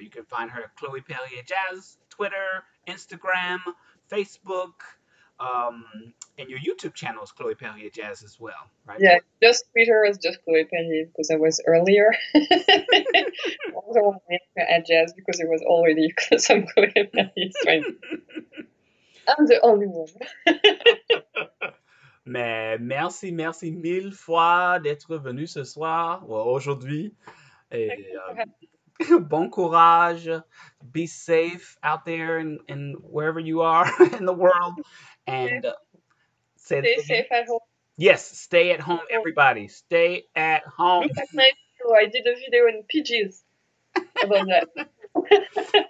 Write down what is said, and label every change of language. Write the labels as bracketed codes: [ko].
[en] You can find her at Chloé Perrier Jazz, Twitter, Instagram, Facebook, and your YouTube channel is Chloé Perrier Jazz as well, right? Yeah, just Twitter is just Chloé Perrier because I was earlier. I also want to make her at Jazz because it was already because I'm Chloé Perrier. I'm the only one. [fr] Mais merci, merci mille fois d'être venu ce soir, [en] well, [fr] aujourd'hui. Et, bon courage. [en] Be safe out there in wherever you are in the world. And stay safe at home. Yes, stay at home, everybody. Stay at home. I did a video in PJs about that.